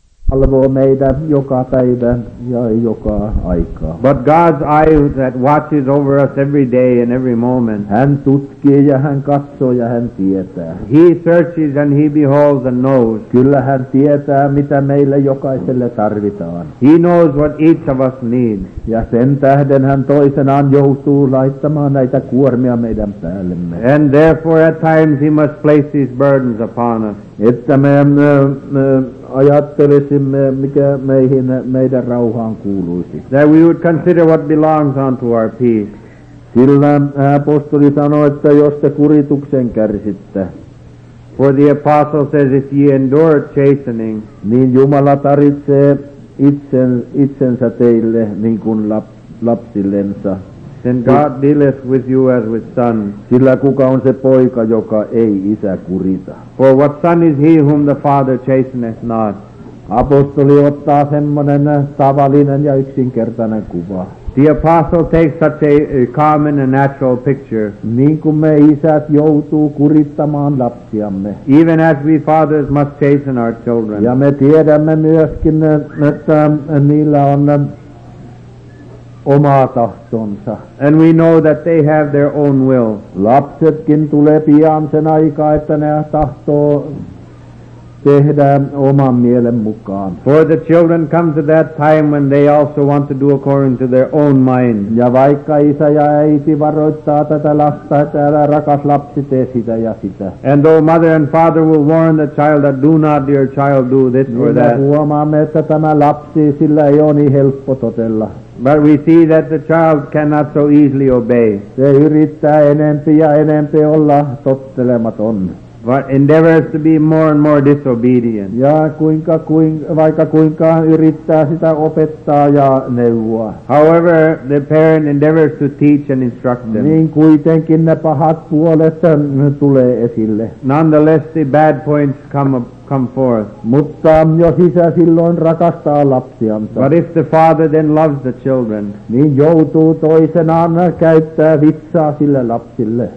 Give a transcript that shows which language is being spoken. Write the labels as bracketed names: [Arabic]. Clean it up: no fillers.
[Finnish] Valvoo meitä joka päivä ja joka aikaa. [English] But God's eye that watches over us every day and every moment. [Finnish] Hän tutkii ja hän katsoo ja hän tietää. [English] He searches and he beholds and knows. [Finnish] Kyllä hän tietää mitä meille jokaiselle tarvitaan. [English] He knows what each of us needs. [Finnish] Ja sen tähden hän toisenaan joutuu laittamaan näitä kuormia meidän päällemme. [English] And therefore at times he must place these burdens upon us. [Finnish] Että me ajattelisimme, mikä meidän rauhaan kuuluisi. [English] That we would consider what belongs unto our peace. [Finnish] Sillä apostoli sanoi, että jos te kurituksen kärsitte. [English] For the apostle says, if ye endure chastening. [Finnish] Niin Jumala tarvitsee itsensä teille, niin kuin lapsillensa. [English] Then God dealeth with you as with son. [Finnish] Sillä kuka on se poika, joka ei isä kurita. [English] For what son is he whom the father chasteneth not? [Finnish] Apostoli ottaa semmoinen tavallinen ja yksinkertainen kuva. [English] The apostle takes such a common and natural picture. [Finnish] Niin kuin me isät joutuu kurittamaan lapsiamme. [English] Even as we fathers must chasten our children. [Finnish] Ja me tiedämme myöskin, että niillä on oma tahtonsa. [English] And we know that they have their own will. [Finnish] Lapsetkin tulee pian sen aika, että ne tahtoo tehdä oman mielen mukaan. [English] For the children come to that time when they also want to do according to their own mind. [Finnish] Ja vaikka isä ja äiti varoittaa tätä lasta, että älä rakas lapsi, tee sitä ja sitä. [English] And though mother and father will warn the child that do not, dear child, do this [Finnish] niin [English] or that. [Finnish] Huomaamme, että tämä lapsi, sillä ei ole niin helppo totella. [English] But we see that the child cannot so easily obey. [Finnish] Se yrittää enempi ja enempi olla tottelematon. [English] But endeavors to be more and more disobedient. [Finnish] Ja vaikka kuinka yrittää sitä opettaa ja neuvoa. [English] However, the parent endeavors to teach and instruct them. [Finnish] Niin kuitenkin ne pahat puolet tulee esille. [English] Nonetheless, the bad points come forth. [Finnish] Mutta jos isä silloin rakastaa lapsiansa. [English] But if the father then loves the children. [Finnish] Niin joutuu toisenaan käyttää vitsaa sille lapsille.